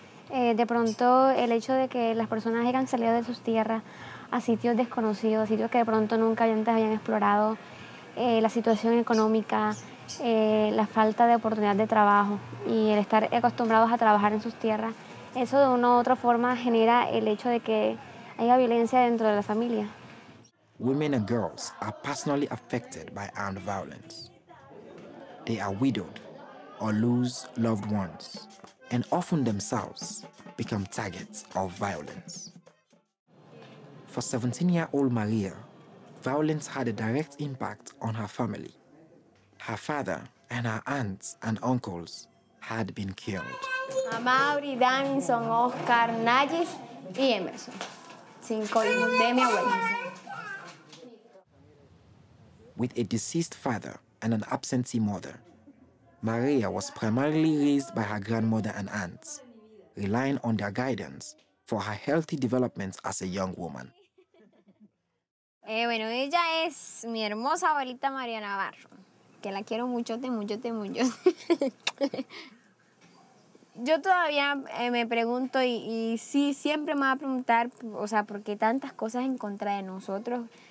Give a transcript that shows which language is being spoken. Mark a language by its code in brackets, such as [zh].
[es] De pronto, el hecho de que las personas hayan salido de sus tierras a sitios desconocidos, a sitios que de pronto nunca antes habían explorado, la situación económica, la falta de oportunidad de trabajo y el estar acostumbrados a trabajar en sus tierras, eso de una u otra forma genera el hecho de que haya violencia dentro de la familia. [en] Women and girls are personally affected by armed violence. They are widowed or lose loved ones, and often themselves become targets of violence. For 17-year-old Maria, violence had a direct impact on her family. Her father and her aunts and uncles had been killed. [es] Amaury, Danson, Oscar, Nayes, y Emerson. 5 hijos de mi abuela. [en] With a deceased father and an absentee mother, Maria was primarily raised by her grandmother and aunts, relying on their guidance for her healthy development as a young woman. [es] Bueno, ella es mi hermosa abuelita María Navarro, que la quiero muchote, muchote, muchote. Yo todavía me pregunto y sí, siempre me va a preguntar, o sea, ¿por qué tantas cosas en contra de nosotros?